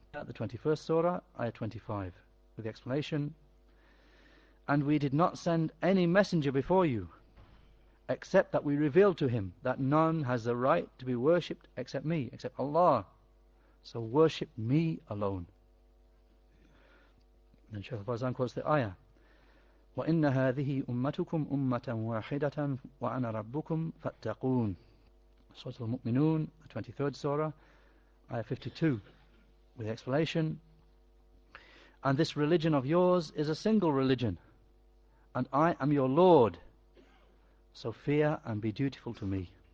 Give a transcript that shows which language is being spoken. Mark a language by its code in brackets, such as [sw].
[en] At the 21st surah, ayah 25, with the explanation, and we did not send any messenger before you, except that we revealed to him that none has the right to be worshipped except me, except Allah. So worship me alone. And Shaykh al-Fawzan quotes the ayah, [ar] وَإِنَّ هَذِهِ أُمَّتُكُمْ أُمَّةً وَاحِدَةً وَأَنَا رَبُّكُمْ فَاتَّقُونَ. [en] Surah Al-Mu'minun, the 23rd surah, ayah 52, with the explanation, and this religion of yours is a single religion, and I am your Lord, so fear and be dutiful to me.